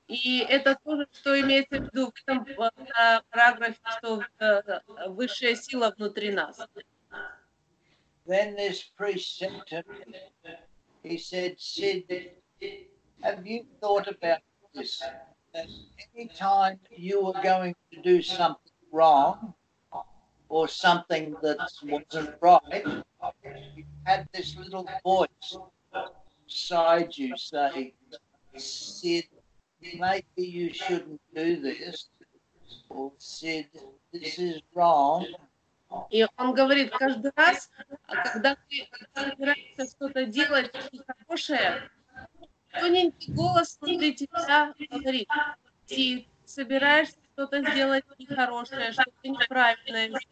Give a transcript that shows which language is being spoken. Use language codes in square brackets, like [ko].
[ru] И это тоже, что имеется в виду в этом параграфе, что высшая сила внутри нас. [en] Then this priest said to me, he said, Sid, have you thought about this, anytime you were going to do something wrong or something that wasn't right, you had this little voice inside you saying, Sid, maybe you shouldn't do this, or Sid, this is wrong. [ru] И он говорит, каждый раз, когда ты собираешься что-то делать, что-то хорошее, тоненький голос внутри тебя говорит, ты собираешься что-то сделать нехорошее, что-то неправильное